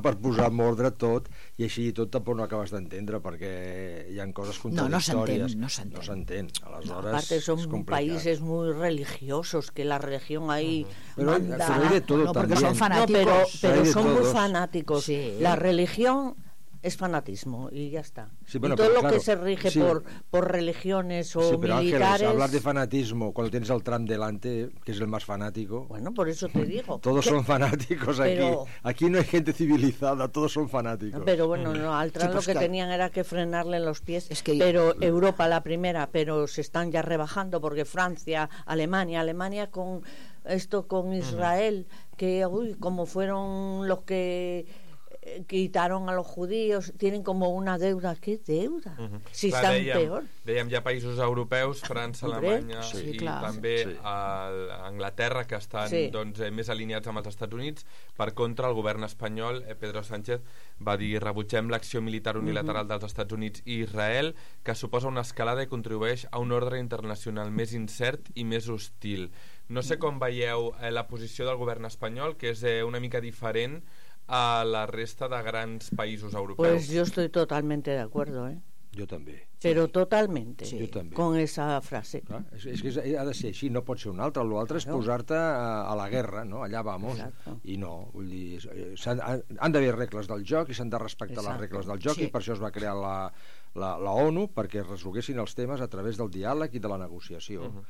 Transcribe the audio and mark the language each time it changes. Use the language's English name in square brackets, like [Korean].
[Catalan] per posar en ordre tot, i així tot tampoc no acabes d'entendre, perquè hi han coses contradictòries. No s'entén. Aleshores, no, aparte, som països molt religiosos, que la religió [Spanish] ahí manda... Però hay de todo, [Catalan] no, perquè són fanàtics. No, però són molt fanàtics. Sí. La religió és fanatismo, i ja està. Sí, bueno, i tot el, [Spanish] claro, que se rige, sí, por religiones o, sí, pero militares... Ángeles, hablar de fanatismo cuando tienes al Trump delante, que es el más fanático... Bueno, por eso te digo. Todos, ¿qué?, son fanáticos, pero... aquí. Aquí no hay gente civilizada, todos son fanáticos. No, pero bueno, no, al Trump, sí, pues, lo que tenían era que frenarle los pies. Es que yo... Pero Europa, la primera, pero se están ya rebajando, porque Francia, Alemania con esto, con Israel, que, uy, como fueron los que... quitaron a los judíos, tienen como una deuda. ¿Qué deuda? Si [Catalan] clar, estan, dèiem, [Spanish] peor. [Catalan] Dèiem, hi ha països europeus, França, Alemanya, sí, i clar, també, sí, Anglaterra, que estan, sí, doncs, més alineats amb els Estats Units. Per contra, el govern espanyol, Pedro Sánchez, va dir: rebutgem l'acció militar unilateral dels Estats Units i Israel, que suposa una escalada i contribueix a un ordre internacional més incert i més hostil. No sé com veieu la posició del govern espanyol, que és una mica diferent a la resta de grans països europeus. [Spanish] Pues yo estoy totalmente de acuerdo, Yo también. Pero totalmente. Sí. Yo también. Con esa frase. Claro, es que [Catalan] ha de ser així, no pot ser un altre. Lo altre, claro, és posar-te a la guerra, no? Allà vamos. [Spanish] Exacto. [Catalan] I no, vull dir, han d'haver regles del joc i s'han de respectar, [Spanish] exacto, [Catalan] les regles del joc, sí, i per això es va crear la ONU, perquè resolguessin els temes a través del diàleg i de la negociació.